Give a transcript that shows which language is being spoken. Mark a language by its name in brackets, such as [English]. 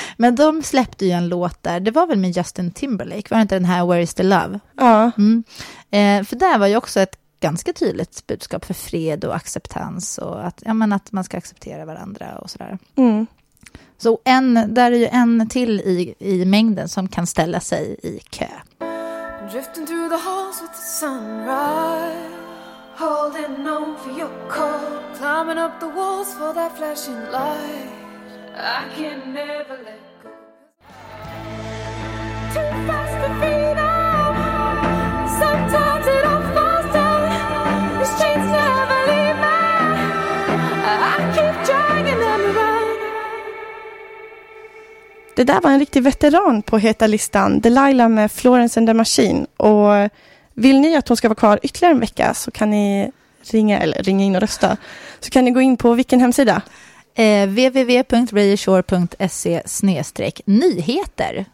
[Swedish] Men de släppte ju en låt där, det var väl med Justin Timberlake, var det inte den här Where is the Love? Ja. För där var ju också ett ganska tydligt budskap för fred och acceptans, och att, ja, men att man ska acceptera varandra och sådär. Mm. Så en, där är ju en till i mängden som kan ställa sig i kö. [English] Drifting through the halls with the sunrise, holding on for your call, climbing up the walls for that flashing light, I can never let go. Too fast to feed up, sometimes it all falls down, these chains never leave me, I keep dragging them around. [Swedish] Det där var en riktig veteran på Heta listan, Delilah med Florence and the Machine. Och vill ni att hon ska vara kvar ytterligare en vecka, så kan ni ringa in och rösta. Så kan ni gå in på vilken hemsida? www.radioshore.se/nyheter.